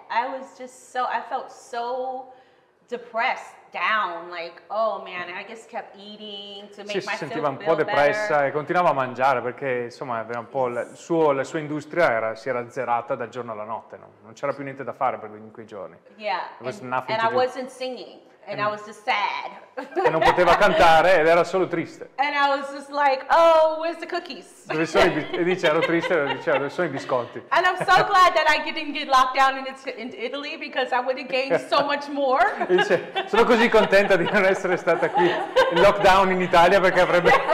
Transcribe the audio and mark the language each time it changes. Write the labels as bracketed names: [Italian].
[English] I felt so depressed, down, like, oh man, I just kept eating to make myself [Italian] sentiva un po' depressa E continuava a mangiare perché, insomma, aveva un po' la sua industria si era azzerata dal giorno alla notte, no? Non c'era più niente da fare per in quei giorni. [English] Yeah, and I wasn't singing, and I was just sad. [Italian] E non poteva cantare ed era solo triste. [English] And I was just like, oh, where's the cookies? [Italian] Dove sono e dice, ero triste, diceva, dove sono i biscotti? [English] And I'm so glad that I didn't get locked down in Italy, because I would have gained so much more. [Italian] Dice, sono così contenta di non essere stata qui in lockdown in Italia, perché avrebbe...